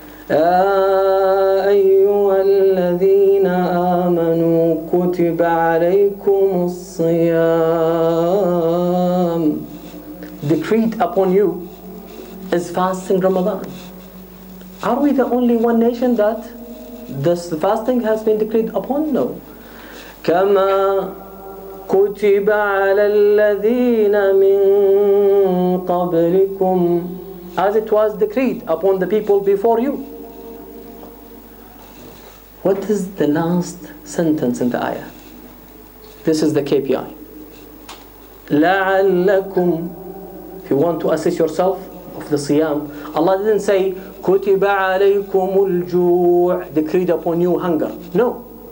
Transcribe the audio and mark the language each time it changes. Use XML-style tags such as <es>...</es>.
<ar>يَا أَيُّهَا الَّذِينَ آمَنُوا كُتِبَ عَلَيْكُمُ الصِّيَامِ.</ar> <en>Decreed upon you is fasting Ramadan. Are we the only one nation that this fasting has been decreed upon? No.</en> <ar>كما كتب على الذين من قبلكم.</ar> <en>As it was decreed upon the people before you. What is the last sentence in the ayah? This is the KPI.</en> <ar>لعلكم.</ar> <en>If you want to assess yourself of the siyam, Allah didn't say</en> <ar>كتب عليكم الجوع,</ar> <en>decreed upon you hunger. No.</en>